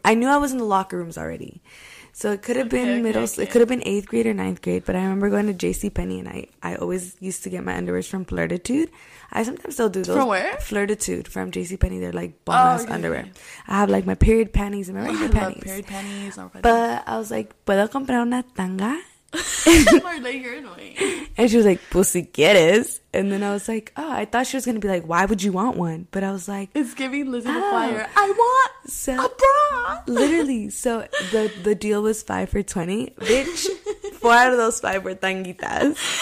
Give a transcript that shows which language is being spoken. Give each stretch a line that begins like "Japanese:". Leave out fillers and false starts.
English: I knew I was in the locker rooms already. So it could have been middle school. It could have been 8th grade or 9th grade. But I remember going to JCPenney and I always used to get my underwears from Flirtitude. I sometimes still do those. From where? Flirtitude from JCPenney. They're like bomb-ass underwear. I have like my period panties and my regular panties. Period panties. But I was like,
Spanish: ¿puedo comprar una tanga?
English: Like, you're annoying. And she was like, pussy get is. And then I was like, oh, I thought she was gonna be like, why would you want one? But I was like, it's giving Lizzie the fire. I want a bra. Literally. So the deal was 5 for $20, bitch. 4 out of those 5 were tanguitas.